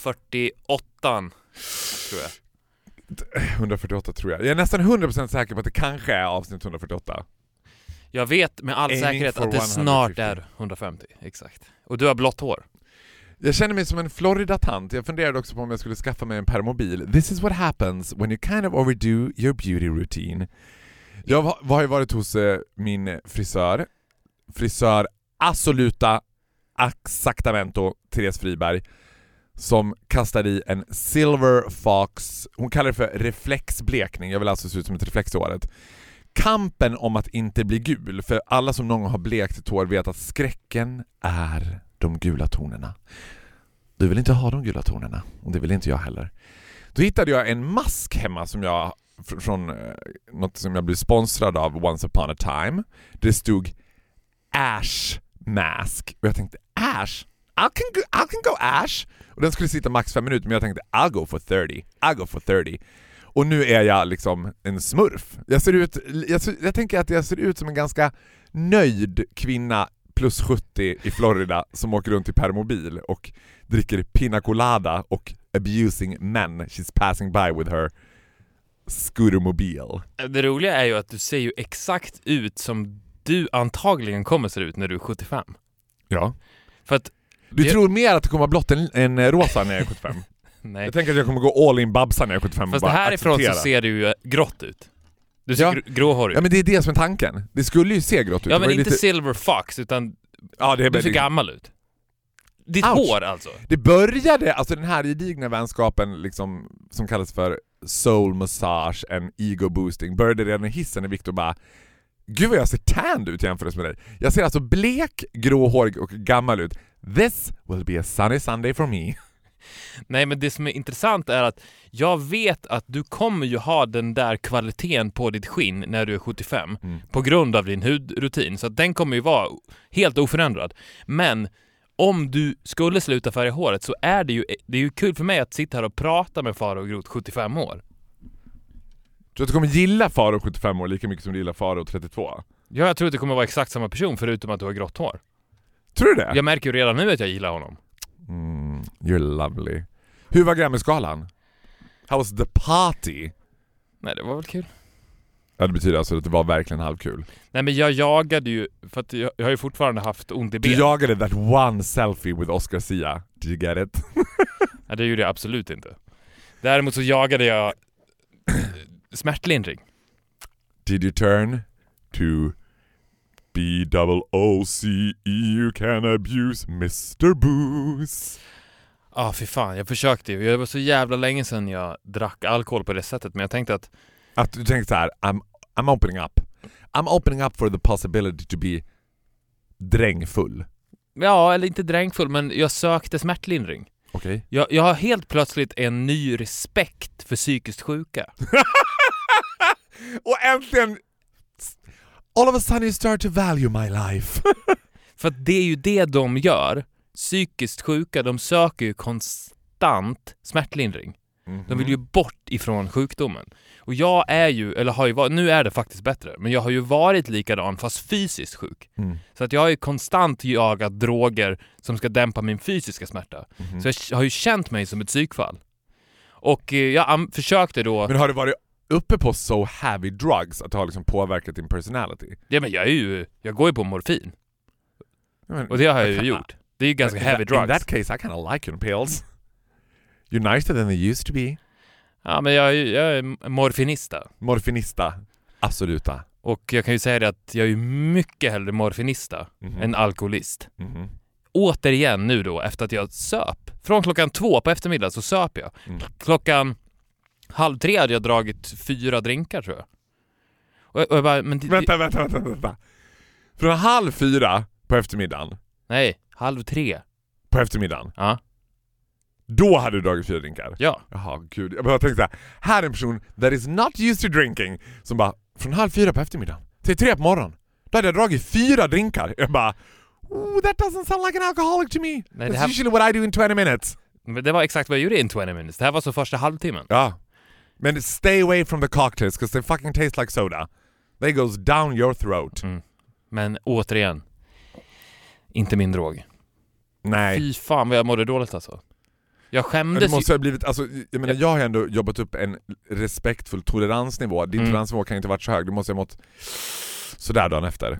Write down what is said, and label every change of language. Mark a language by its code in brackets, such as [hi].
[sv] 148 tror jag. 148 tror jag. Jag är nästan 100% säker på att det kanske är avsnitt 148. Jag vet med all säkerhet att det snart är 150, exakt. Och du har blått hår. Jag känner mig som en Florida-tant. Jag funderade också på om jag skulle skaffa mig en permobil. [en] This is what happens when you kind of overdo your beauty routine. [sv] Jag har ju varit hos min frisör. Frisör Assoluta Axactamento, Therese Friberg. Som kastade i en Silver Fox. Hon kallar det för reflexblekning. Jag vill alltså se ut som ett reflex i håret. Kampen om att inte bli gul. För alla som någon har blekt ett hår vet att skräcken är de gula tonerna. Du vill inte ha de gula tonerna. Och det vill inte jag heller. Då hittade jag en mask hemma som jag från något som jag blev sponsrad av Once Upon a Time. Det stod Ash Mask. Och jag tänkte, Ash? [en] I can go Ash. [sv] Och den skulle sitta max 5 minuter. Men jag tänkte, [en] I'll go for 30. [sv] Och nu är jag liksom en smurf. Jag tänker att jag ser ut som en ganska nöjd kvinna plus 70 i Florida som åker runt i permobil och dricker pina colada och abusing men. [en] She's passing by with her scootermobile. [sv] Det roliga är ju att du ser ju exakt ut som du antagligen kommer se ut när du är 75. Ja. För att du tror mer att det kommer blott en rosa när jag är 75. Nej. Jag tänker att jag kommer gå all in babsa när jag är 75. Fast det här ifrån så ser du ju grått ut. Du ser gråhårig ut. Ja, men det är det som är tanken. Det skulle ju se grått ut. Ja, men inte lite Silver Fox, utan ja, det är du ser gammal ut. Ditt hår alltså. Det började, alltså den här gedigna vänskapen liksom, som kallas för [en] soul massage and ego boosting, [sv] började redan i hissen när Victor bara, gud vad jag ser tanned ut jämfört med dig. Jag ser alltså blek, gråhårig och gammal ut. [en] This will be a sunny Sunday for me. [sv] Nej, men det som är intressant är att jag vet att du kommer ju ha den där kvaliteten på ditt skinn när du är 75 på grund av din hudrutin. Så att den kommer ju vara helt oförändrad. Men om du skulle sluta färga håret så är det är ju kul för mig att sitta här och prata med Faro Groth 75 år. Tror du att du kommer gilla Faro 75 år lika mycket som du gillar Faro 32? Ja, jag tror att du kommer vara exakt samma person förutom att du har grått hår. Tror du det? Jag märker ju redan nu att jag gillar honom. [en] You're lovely. [sv] Hur var Grammysgalan? [en] How was the party? [sv] Nej, det var väl kul. Ja, det betyder alltså att det var verkligen halvkul. Nej, men jag jagade ju, för att jag har ju fortfarande haft ont i ben. Du jagade [en] that one selfie with Oscar Sia. Did you get it? [sv] Nej, det gjorde jag absolut inte. Däremot så jagade jag smärtlindring. [en] Did you turn to B-double-O-C-E, you can abuse Mr. Booze? [sv] Ja, fy fan, jag försökte ju. Det var så jävla länge sedan jag drack alkohol på det sättet. Men jag tänkte att... Att du tänkte så här, [en] I'm opening up. I'm opening up for the possibility to be drängfull. [sv] Ja, eller inte drängfull, men jag sökte smärtlindring. Okej. [en] Okay. [sv] Jag har helt plötsligt en ny respekt för psykiskt sjuka. Och äntligen... [en] All of a sudden you start to value my life. [sv] För det är ju det de gör. Psykiskt sjuka, de söker ju konstant smärtlindring. Mm-hmm. De vill ju bort ifrån sjukdomen. Och jag är ju, eller har ju varit, nu är det faktiskt bättre. Men jag har ju varit likadan fast fysiskt sjuk. Mm. Så att jag har ju konstant jagat droger som ska dämpa min fysiska smärta. Mm-hmm. Så jag har ju känt mig som ett psykfall. Och jag försökte då... Men har du varit uppe på [en] so heavy drugs [sv] att det har liksom påverkat din personality? Ja, men jag är ju, jag går ju på morfin. Men, och det har jag ju gjort. Det är ju ganska [en] heavy drugs. In that case, I kind of like your pills. You're nicer than they used to be. [sv] Ja, men jag är morfinista. Morfinista, absoluta. Och jag kan ju säga det att jag är mycket hellre morfinista än alkoholist. Återigen nu då, efter att jag söp. Från klockan 2 på eftermiddag så söp jag. Klockan 2:30 hade jag dragit 4 drinkar, tror jag. Och jag bara, men vänta. Från 3:30 på eftermiddagen. Nej, 2:30. På eftermiddagen? Ja. Då hade du dragit 4 drinkar? Ja. Jaha, gud. Jag bara tänkte så här är en person [en] that is not used to drinking. [sv] Som bara, från 3:30 på eftermiddagen till 3 på morgon. Då hade jag dragit 4 drinkar. Jag bara, [en] ooh, that doesn't sound like an alcoholic to me. [sv] Nej, [en] that's usually what I do in 20 minutes. [sv] Men det var exakt vad jag gjorde [en] in 20 minutes. [sv] Det här var så första halvtimmen. Ja. Men [en] stay away from the cocktails because they fucking taste like soda. They goes down your throat. Mm. [sv] Men återigen, inte min drog. Nej. Fy fan vad jag mådde dåligt alltså. Jag skämdes. Men det måste ha blivit, alltså, jag menar, jag har ändå jobbat upp en respektfull toleransnivå. Din toleransnivå kan inte ha varit så hög. Du måste ha mått sådär dagen efter.